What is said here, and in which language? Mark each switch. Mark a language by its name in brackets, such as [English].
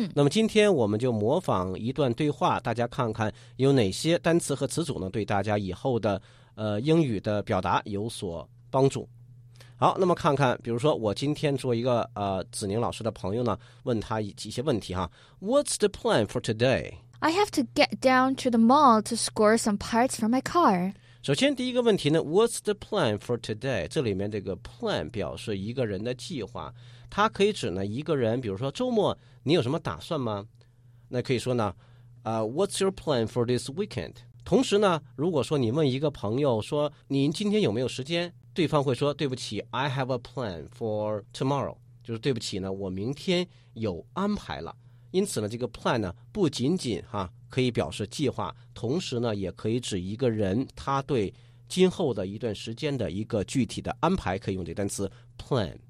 [Chinese] 那么今天我们就模仿一段对话，大家看看有哪些单词和词组呢，对大家以后的英语的表达有所帮助。好，那么看看，比如说我今天做一个子宁老师的朋友呢，问他一些问题哈。 [English] What's the plan for today? I have to get down to the mall to score some parts for my car. [Chinese] 首先第一个问题呢 [English] ，What's the plan for today? [Chinese] 这里面这个 plan 表示一个人的计划。它可以指呢一个人，比如说周末你有什么打算吗？那可以说呢 [English] What's your plan for this weekend? [Chinese] 同时呢，如果说你问一个朋友说您今天有没有时间，对方会说对不起 [English] I have a plan for tomorrow， [Chinese] 就是对不起呢，我明天有安排了。因此呢，这个 plan 呢不仅仅哈可以表示计划，同时呢也可以指一个人他对今后的一段时间的一个具体的安排，可以用这单词 plan。